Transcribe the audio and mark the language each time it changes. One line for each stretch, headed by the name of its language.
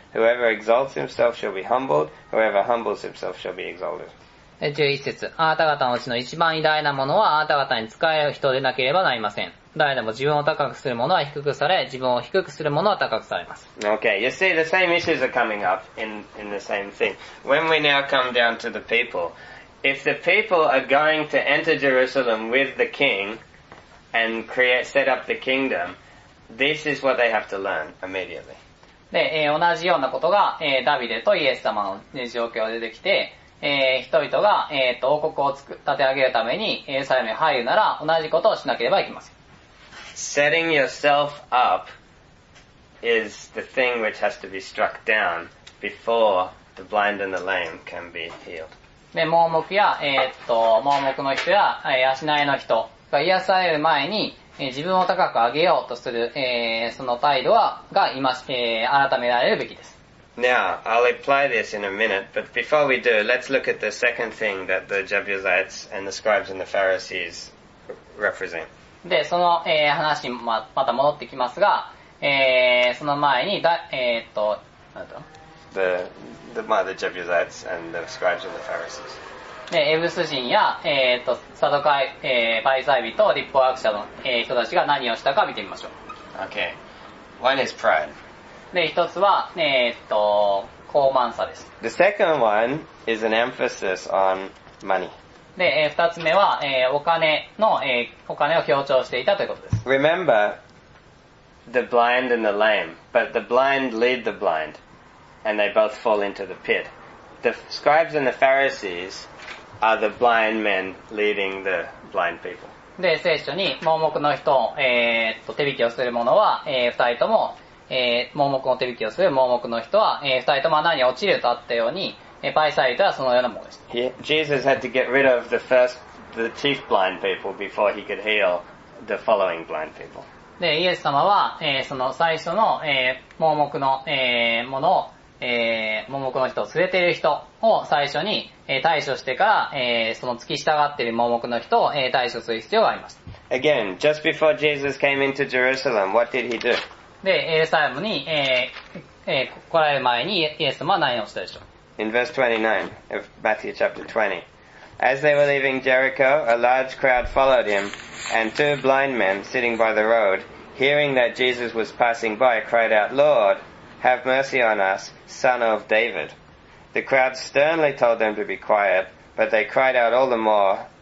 English: Whoever exalts himself shall be humbled. Whoever humbles himself shall be exalted.
Japanese: で、11節あなた方のうちの一番偉大なものはあなた方に仕える人でなければなりません。誰でも自分を高くするものは低くされ、自分を低くするものは高くされます。
English: Okay, you see, the same issues are coming up in the same thing. When we now come down to the people, if the people are going to enter Jerusalem with the king and create, set up the kingdom, this is what they have to learn immediately.
Japanese: で、同じようなことが、ダビデとイエス様の状況が出てきて、人々が、王国を立て上げるためにエルサレムに入るなら、同じことをしなければいけません。
English: Setting yourself up is the thing which has to be struck down before the blind and the lame can be healed.
Japanese: で、盲目や、盲目の人や、足ないの人が癒される前に、自分を高く上げようとする、その態度は、が今、改められるべきです。
English: Now, I'll apply this in a minute, but before we do, let's look at the second thing that the Jebusites and the scribes and the Pharisees represent.
Japanese: で、その、話にまた戻ってきますが、その前にだ、なんだ
English: the, まあ、the Jebusites and the scribes and the Pharisees.
Japanese: で、エブス人や、サドカイ、パリサイ人と立法学者の、人たちが何をしたか見てみましょう。
English: Okay. One is pride.
Japanese: で、一つは、高慢さです。
English: The second one is an emphasis on money.
Japanese: で、二つ目は、お金を強調していたということです。
English: Remember, the blind and the lame, but the blind lead the blind, and they both fall into the pit. The scribes and the Pharisees are the blind men leading the blind people.
Japanese: で、聖書に、盲目の人を、手引きをする者は、二人とも、盲目の手引きをする盲目の人は、二人とも穴に落ちるとあったように、パリサイ人はそのようなものでした。
English: Jesus had to get rid of the chief blind people before he could heal the following blind people.
Japanese: で、イエス様は、その最初の、盲目の、ものを、盲目の人を連れている人を最初に、対処してから、その付き従っている盲目の人を、対処する必要がありました。
English: Again, just before Jesus came into Jerusalem, what did he do?
Japanese: で、エルサレムに、来られる前にイエス様は何をしたでしょう。
English: In verse 29 of Matthew chapter 20, As they were leaving Jericho, a large crowd followed him, and two blind men sitting by the road, hearing that Jesus was passing by, cried out, Lord, have mercy on us, son of David. The crowd sternly told them to be quiet, but they cried out all the more,